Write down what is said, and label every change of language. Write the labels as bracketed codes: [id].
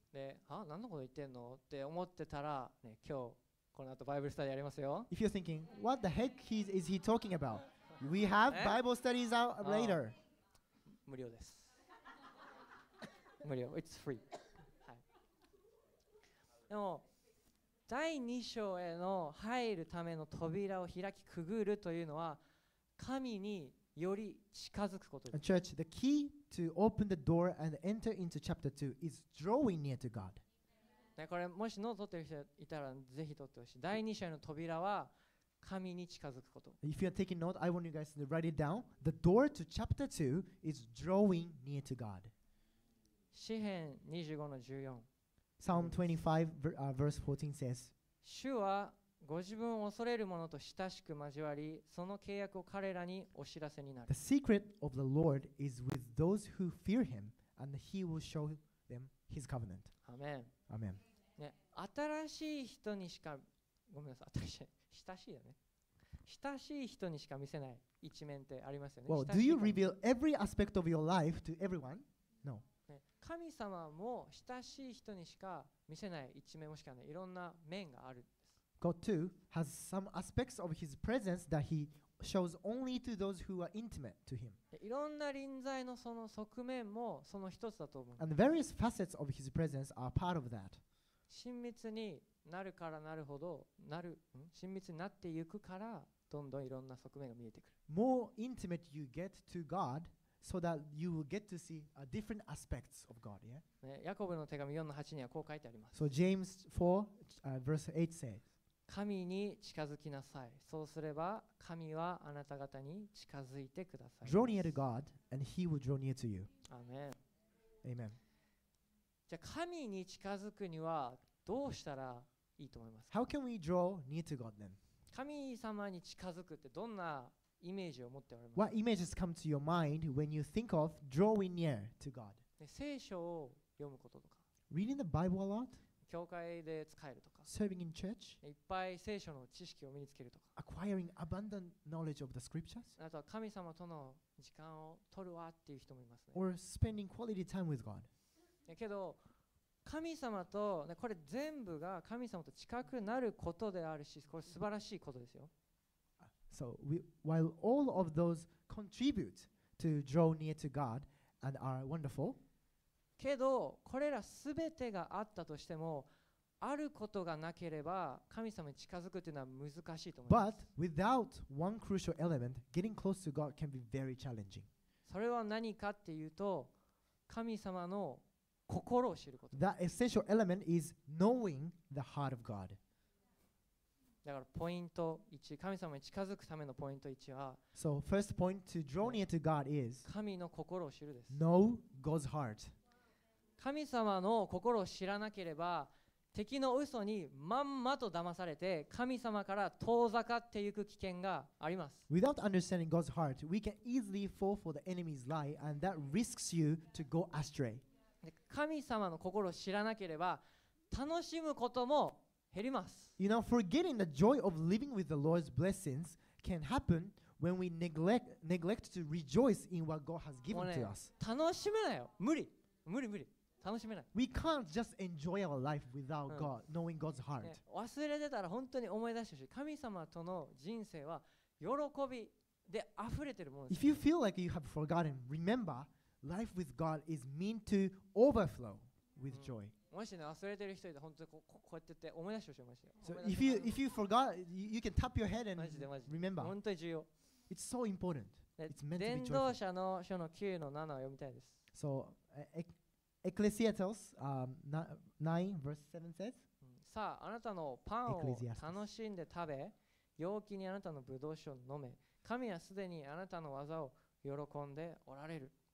[ja] で、あ、何のこと言ってんのって思ってたら、ね、今日この後バイブルスタディやりますよ。 [en] If you're thinking, what the heck is he talking about? We have Bible studies out later. [ja] 無料です。無料。 [en] It's free. [ja] はい。でも第2章への入るための扉を開きくぐるというのは神により近づくことです。 [en] Church, the key to open the door and enter into chapter 2 is drawing near to God. [ja] ね、これもしノート取ってる人いたらぜひ取ってほしい。第2章の扉は神に近づくこと。 [en] If you are taking note, I want you guys to write it down. The door to chapter 2 is drawing near to God. [ja] 詩編25の14。 [en] Psalm 25, verse 14 says, [ja] 主はご自分を恐れる者と親しく交わり、その契約を彼らにお知らせになる。 [en] The secret of the Lord is with those who fear him, and he will show them his covenant. [ja] アメン。 [en] Amen. [ja] ね、新しい人にしか、ごめんなさい、新しい、親しいよね。親しい人にしか見せない一面ってありますよね。 [en] Well, do you reveal every aspect of your life to everyone? No.、 [ja] ね、神様も親しい人にしか見せない一面もしかね、いろんな面があるんです。 [en] God too has some aspects of His presence that He shows only to those who are intimate to Him. [ja] いろんな臨在のその側面もその一つだと思う。 [en] And various facets of His presence are part of that. [ja] 親密になるからなるほど、なる、親密になっていくからどんどんいろんな側面が見えてくる。 [en] More intimate you get to God, so that you will get to see a different aspects of God. Yeah. [ja] ヤコブの手紙4の8にはこう書いてあります。 [en] So James 4, verse 8 says. [ja] 神に近づきなさい。そうすれば神はあなた方に近づいてください。 [en] Draw near to God and He will draw near to you. [ja] アーメン。 [en] Amen. [ja] じゃあ神に近づくにはどうしたらいいと思いますか？ [en] How can we draw near to God then? [ja] 神様に近づくってどんなイメージを持っておられますか？ [en] What images come to your mind when you think of drawing near to God? [ja] 聖書を読むこととか。 [en] Reading the Bible a lot? [ja] 教会で使えるとか、 [en] serving in church、 [ja] いっぱい聖書の知識を身につけるとか、 [en] acquiring abundant knowledge of the scriptures、 [ja] あとは神様との時間を取るわっていう人もいますね、 [en] or spending quality time with God。 [ja] けど神様と、ね、これ全部が神様と近くなることであるし、これ素晴らしいことですよ。 [en] So while all of those contribute to draw near to God and are wonderful. [ja] けどこれらすべてがあったとしてもあることがなければ神様に近づくというのは難しいと思います。 [en] But without one crucial element, getting close to God can be very challenging. [ja] それは何かっていうと神様の心を知ること。 [en] That essential element is knowing the heart of God. [ja] だからポイント1、神様に近づくためのポイント1は、 [en] So first point to draw near to God is [ja] 神の心を知るです。 [en] Know God's heart. [ja] 神様の心を知らなければ敵の嘘にまんまと騙されて神様から遠ざかっていく危険があります。 [en] Without understanding God's heart, we can easily fall for the enemy's lie and that risks you to go astray. [ja] 神様の心を知らなければ楽しむことも減ります。 [en] You know, forgetting the joy of living with the Lord's blessings can happen when we neglect to rejoice in what God has given to us. [ja] 楽しめないよ。無理無理無理。楽しめない。 [en] We can't just enjoy our life without God, knowing God's heart.、 [ja] ね、忘れてたら本当に思い出してほしい。神様との人生は喜びで溢れてるものです。 [en] If you feel like you have forgotten, remember, life with God is meant to overflow with joy.、 [ja] うん、もしね、忘れてる人いたら本当にこうやってって思い出してほしい。ましたよ。 [en] So if you forgot, you can tap your head and remember. [ja] 本当に重要。 [en] It's so important. It's meant joyful. 伝道 [ja] 者の書の9の7を読みたいです。 [en] So,Ecclesiastes 9 verse 7 says [ja] さああなたのパンを楽しんで食べ陽気にあなたのブドウ酒を飲め神はすでにあなたの技を喜んでおられる